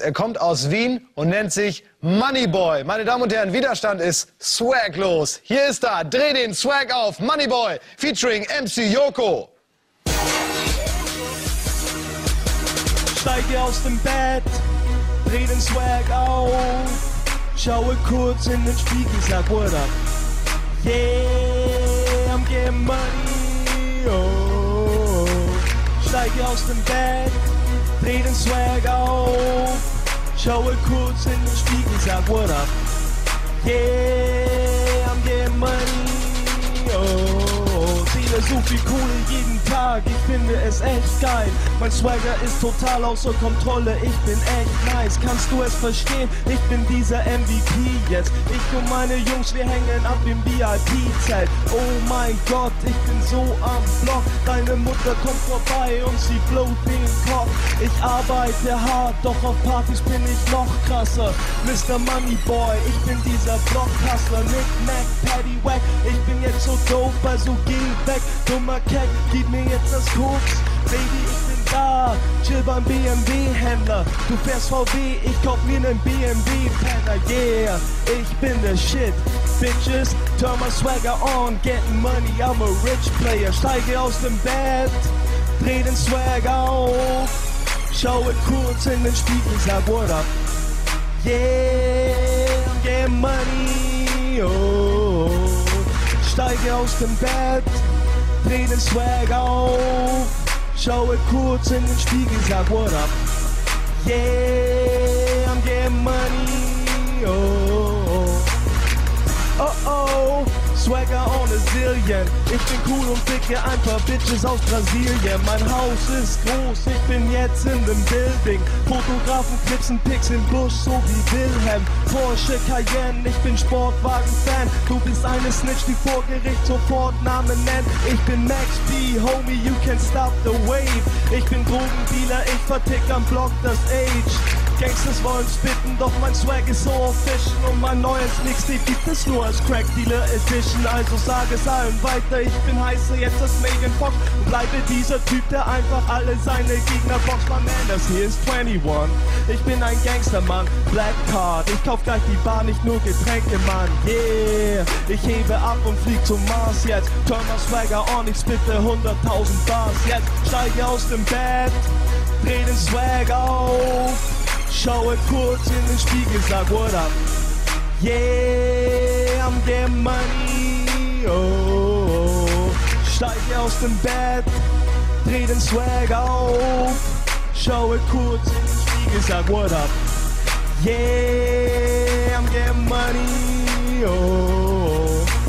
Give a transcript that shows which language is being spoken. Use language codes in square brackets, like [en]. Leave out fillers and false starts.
[de] Er kommt aus Wien und nennt sich Moneyboy. Meine Damen und Herren, Widerstand ist swaglos. Hier ist er, dreh den Swag auf, Moneyboy, featuring MC Yoko. Steige aus dem Bett, dreh den Swag auf, schaue kurz in den Spiegel, sag [en] what up. Yeah, I'm getting money, oh. [de] Steige aus dem Bett, dreh den Swag auf, schaue kurz in den Spiegel, sag [en] what up. Yeah, I'm getting money, oh. [de] Seele so viel Kohle jeden Tag, ich finde es echt geil. Mein Swagger ist total außer Kontrolle, ich bin echt nice. Kannst du es verstehen, ich bin dieser MVP jetzt. Ich und meine Jungs, wir hängen ab im VIP-Zelt. Oh mein Gott, ich bin so am Block. Deine Mutter kommt vorbei und sie blowt den Kopf. Ich arbeite hart, doch auf Partys bin ich noch krasser. Mr. Moneyboy, ich bin dieser Blockhustler. Nick, Mac, Paddy, Wack, ich bin jetzt so dope, also geh weg. Dummer Cat, gib mir jetzt das Koks. Baby, ich bin da, chill beim BMW-Händler. Du fährst VW, ich kauf mir nen BMW-Penner. Yeah, ich bin der Shit. Bitches, [en] turn my swagger on. Getting money, I'm a rich player. [de] Steige aus dem Bett, dreh den Swag auf, schaue kurz in den Spiegel, sag [en] what up. Yeah, I'm getting money, oh. [de] Steige aus dem Bett, dreh den Swag auf, schaue kurz in den Spiegel, sag [en] what up. Yeah, I'm getting money, oh. Oh oh, Swagger on a zillion. [de] Ich bin cool und ficke ein paar Bitches aus Brasilien. Mein Haus ist groß, ich bin jetzt in dem Building. Fotografen knipsen Pics im Busch, so wie Wilhelm. Porsche Cayenne, ich bin Sportwagen-Fan. Du bist eine Snitch, die vor Gericht sofort Namen nennt. Ich bin Max B, [en] Homie, you can't stop the wave. [de] Ich bin Drogendealer, ich vertick am Block das Age. Gangsters wollen spitten, doch mein Swag ist so official. Und mein neues Mixtape gibt es nur als Crack Dealer Edition. Also sag es allen weiter, ich bin heißer jetzt als Megan Fox. Und bleibe dieser Typ, der einfach alle seine Gegner boxt. [en] My man, [de] das hier ist 21. Ich bin ein Gangstermann, Black Card. Ich kauf gleich die Bar, nicht nur Getränke, Mann. Yeah, ich hebe ab und flieg zum Mars jetzt. [en] Turn my Swagger on, [de] ich spitte 100.000 Bars jetzt. Steige aus dem Bett, dreh den Swag auf, schaue kurz in den Spiegel, sag [en] what up. Yeah, I'm getting money, oh. [de] Steige aus dem Bett, dreh den Swag auf, schaue kurz in den Spiegel, sag [en] what up. Yeah, I'm getting money, oh.